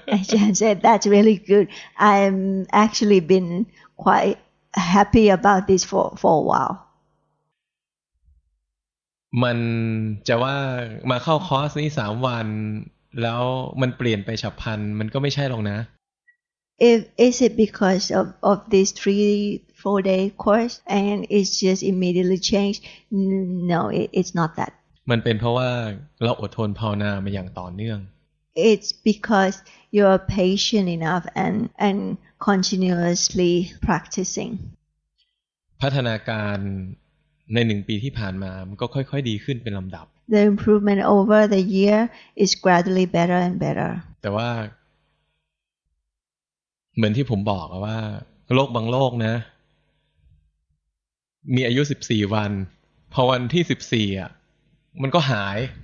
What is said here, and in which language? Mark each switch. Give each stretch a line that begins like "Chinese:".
English: Jan said that's really good I'm actually been quite happy about this for a while
Thai: มันจะว่ามาเข้าคอร์สนี้3วันแล้วมันเปลี่ยนไปฉับพลันมันก็ไม่ใช่หรอกนะ
English: Is it because of this 3-4 day course and it's just immediately changed? No, it's not that.
Thai: มันเป็นเพราะว่าเราอดทนภาวนามาอย่างต่อเนื่อง
English: it's because you are patient enough and continuously practicing.
Thai: พัฒนาการในหนึ่งปีที่ผ่านมามันก็ค่อยๆดีขึ้นเป็นลำดับ
English: The improvement over the year is gradually better and better.
Thai: แต่ว่าเหมือนที่ผมบอกว่าโรคบางโรคนะมีอายุ14วันพอวันที่14อ่ะมันก็หาย